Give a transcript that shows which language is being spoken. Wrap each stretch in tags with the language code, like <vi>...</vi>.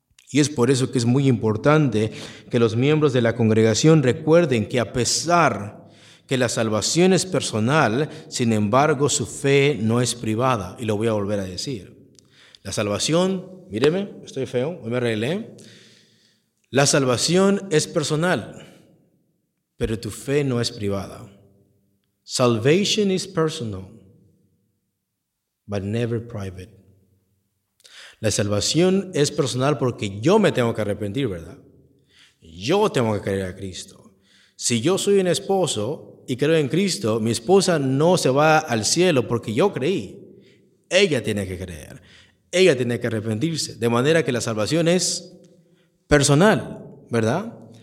<es>Y es por eso que es muy importante que los miembros de la congregación recuerden que a pesar que la salvación es personal, sin embargo, su fe no es privada. Y lo voy a volver a decir. La salvación, míreme, estoy feo, hoy me arreglé. La salvación es personal, pero tu fe no es privada.</es> <en>Salvation is personal, but never private.</en> <es>La salvación es personal porque yo me tengo que arrepentir, ¿verdad? Yo tengo que creer a Cristo. Si yo soy un esposo y creo en Cristo, mi esposa no se va al cielo porque yo creí. Ella tiene que creer. Ella tiene que arrepentirse. De manera que la salvación es personal, ¿verdad?</es>